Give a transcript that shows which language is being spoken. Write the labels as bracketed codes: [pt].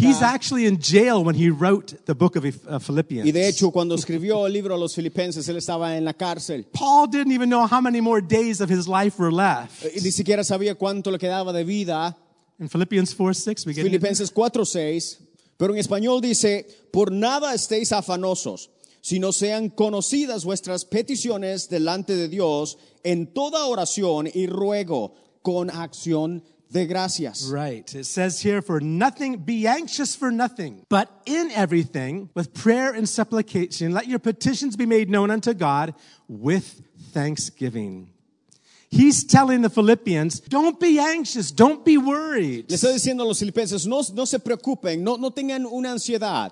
[en] He's actually in jail when he wrote the book of Philippians. [es] Y de hecho, cuando escribió el libro a los filipenses, él estaba en la cárcel. [en] Paul didn't even know how many more days of his life were left. [es] Y ni siquiera sabía cuánto le quedaba de vida. [en] In Philippians 4, 6, we get [es] Filipenses 4, 6. Pero en español dice, por nada estéis afanosos, sino sean conocidas vuestras peticiones delante de Dios en toda oración y ruego con acción de gracias. [en] Right. It says here, for nothing, be anxious for nothing, but in everything, with prayer and supplication, let your petitions be made known unto God with thanksgiving. He's telling the Philippians, don't be anxious, don't be worried. [es] Le estoy diciendo a los filipenses, no se preocupen, no tengan una ansiedad.